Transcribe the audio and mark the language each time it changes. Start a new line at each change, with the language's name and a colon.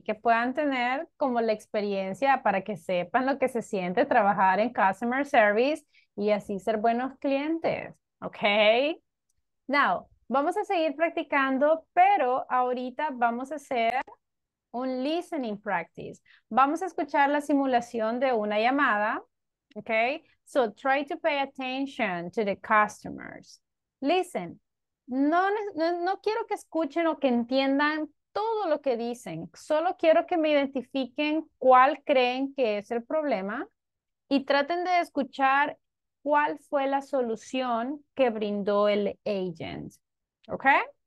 Spanish: Que puedan tener como la experiencia para que sepan lo que se siente trabajar en customer service y así ser buenos clientes. Okay. Now, vamos a seguir practicando, pero ahorita vamos a hacer un listening practice. Vamos a escuchar la simulación de una llamada.
English: Okay. So try to pay attention to the customers. Listen.
Spanish: No quiero que escuchen o que entiendan todo lo que dicen. Solo quiero que me identifiquen cuál creen que es el problema y traten de escuchar cuál fue la solución que brindó el agent. Okay?